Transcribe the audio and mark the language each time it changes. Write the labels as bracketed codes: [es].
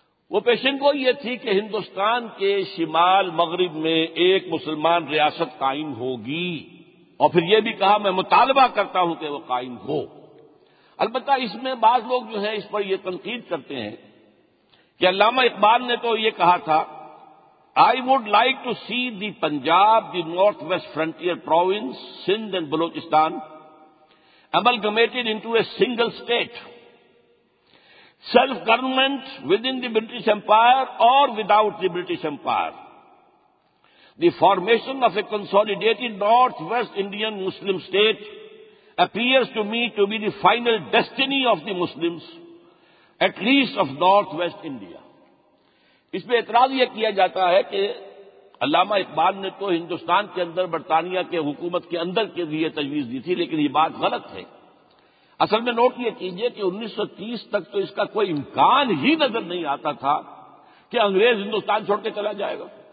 [ur] وہ پیشن گوئی یہ تھی کہ ہندوستان کے شمال مغرب میں ایک مسلمان ریاست قائم ہوگی، اور پھر یہ بھی کہا میں مطالبہ کرتا ہوں کہ وہ قائم ہو. البتہ اس میں بعض لوگ جو ہیں اس پر یہ تنقید کرتے ہیں کہ علامہ اقبال نے تو یہ کہا تھا، [en] I would like to see the Punjab, the North West Frontier Province, Sindh and Balochistan amalgamated into a single state. Self-government within the British Empire or without the British Empire. The formation of a consolidated North-West Indian Muslim state appears to me to be the final destiny of the Muslims, at least of North-West India. [ur] اس پہ اعتراض یہ کیا جاتا ہے کہ علامہ اقبال نے تو ہندوستان کے اندر برطانیہ کے حکومت کے اندر کے لیے تجویز دی تھی, لیکن یہ بات غلط ہے. اصل میں نوٹ یہ کیجئے کہ 1930 تک تو اس کا کوئی امکان ہی نظر نہیں آتا تھا کہ انگریز ہندوستان چھوڑ کے چلا جائے گا.